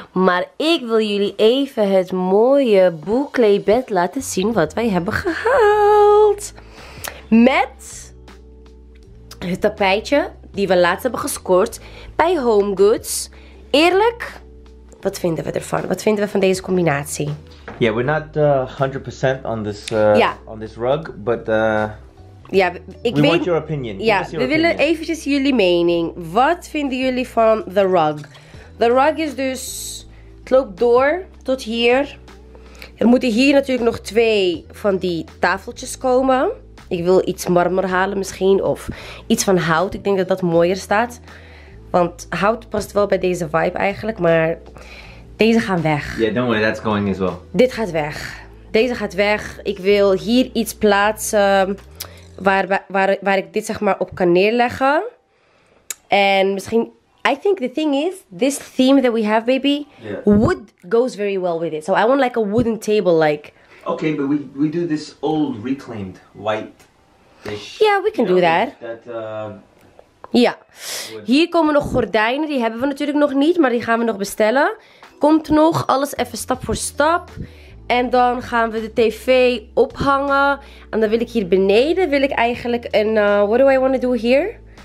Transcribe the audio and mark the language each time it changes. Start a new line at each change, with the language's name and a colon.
Dutch: Maar ik wil jullie even het mooie boekleedbed laten zien wat wij hebben gehaald. Met het tapijtje die we laatst hebben gescoord bij Home Goods. Eerlijk, wat vinden we ervan? Wat vinden we van deze combinatie?
English: Yeah, we're not 100% on this on this rug, but
Dutch: ja, ik
English: we
Dutch: weet,
English: want your opinion.
Dutch: Ja, we
English: opinion.
Dutch: Willen eventjes jullie mening. Wat vinden jullie van
English: the rug? The rug
Dutch: is dus, het loopt door tot hier. Er moeten hier natuurlijk nog 2 van die tafeltjes komen. Ik wil iets marmer halen misschien of iets van hout. Ik denk dat dat mooier staat. Want hout past wel bij deze vibe eigenlijk, maar deze gaan weg.
English: Yeah, don't worry, that's going as well.
Dutch: Dit gaat weg. Deze gaat weg. Ik wil hier iets plaatsen waar ik dit zeg maar op kan neerleggen. En misschien,
English: I think the thing is, this theme that we have, baby, yeah, wood goes very well with it. So I want like a wooden table, like. Okay, but we do this old reclaimed white dish. Yeah, we can do that.
Dutch: Ja.
English: Wood.
Dutch: Hier komen nog gordijnen, die hebben we natuurlijk nog niet, maar die gaan we nog bestellen. Komt nog, alles even stap voor stap. En dan gaan we de tv ophangen. En dan wil ik hier beneden, wil ik eigenlijk een,
English: what do I want to do here?